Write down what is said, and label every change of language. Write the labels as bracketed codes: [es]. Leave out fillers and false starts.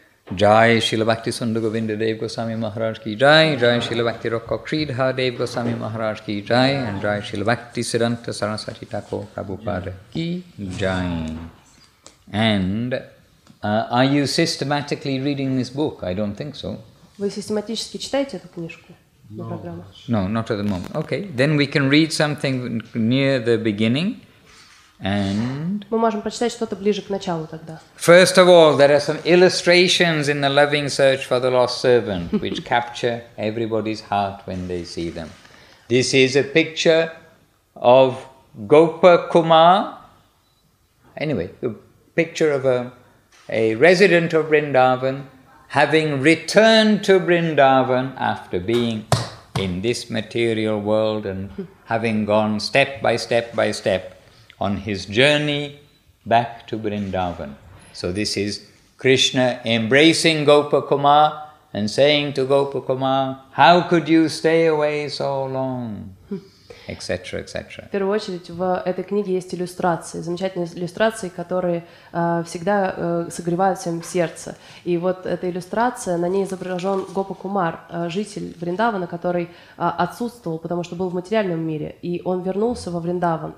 [en] Jai Srila Bhakti Sundar Govinda Dev Goswami Maharaj ki jai, jai Srila Bhakti Rokha Kridha Dev Goswami Maharaj ki jai, and jai Srila Bhakti Siddhanta Saraswati Thakur Prabhupada ki jai. And are you systematically reading this book? I don't think so. [ru] Вы систематически читаете эту книжку на программах? [en] No, not at the moment. Okay, then we can read something near the beginning. And [ru] мы можем прочитать что-то ближе к началу тогда. [en] First of all, there are some illustrations in the Loving Search for the Lost Servant, which capture everybody's heart when they see them. This is a picture of Gopa Kumar. Anyway, a picture of a resident of Vrindavan, having returned to Vrindavan after being in this material world and having gone step by step by step on his journey back to Vrindavan. So this is Krishna embracing Gopa Kumar and saying to Gopa Kumar, how could you stay away so long? Etc., etc. [ru] В первую очередь, в этой книге есть иллюстрации, замечательные иллюстрации, которые всегда согревают всем сердце. И вот эта иллюстрация, на ней изображен Гопа Кумар, житель Вриндавана, который отсутствовал, потому что был в материальном мире, и он вернулся во Вриндаван.